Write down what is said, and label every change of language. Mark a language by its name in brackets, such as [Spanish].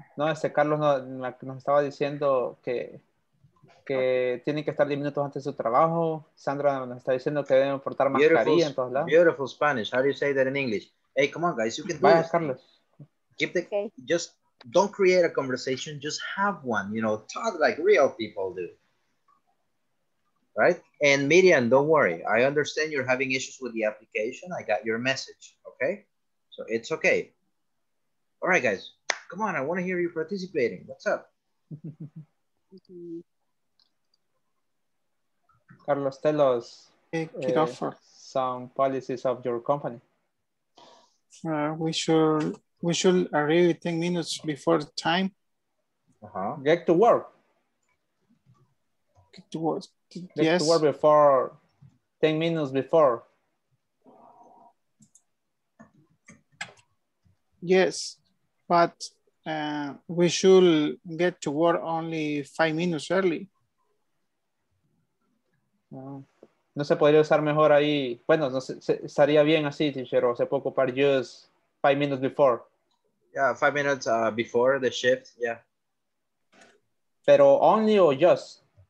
[Spanish] No, ese Carlos nos estaba diciendo que tienen que estar 10 minutos antes de su trabajo. Sandra nos está diciendo que deben portar mascarilla en todos lados. [English] Beautiful Spanish. How do you say that in English? Hey, come on, guys. You can do this. Carlos. Keep the, okay. Just don't create a conversation. Just have one. You know, talk like real people do. Right? And Miriam, don't worry. I understand you're having issues with the application. I got your message. Okay? So it's okay. All right, guys. Come on. I want to hear you participating. What's up? Carlos, tell us some policies of your company. We should arrive 10 minutes before the time. Uh-huh. Get to work. Get to work. Get to work before 10 minutes before. Yes, but we should get to work only 5 minutes early. [Spanish] No, no se podría usar mejor ahí. Bueno, no se, estaría bien así, teacher, o se puede ocupar [English] just 5 minutes before. Yeah, 5 minutes before the shift, yeah. [Spanish] Pero [English] only or just?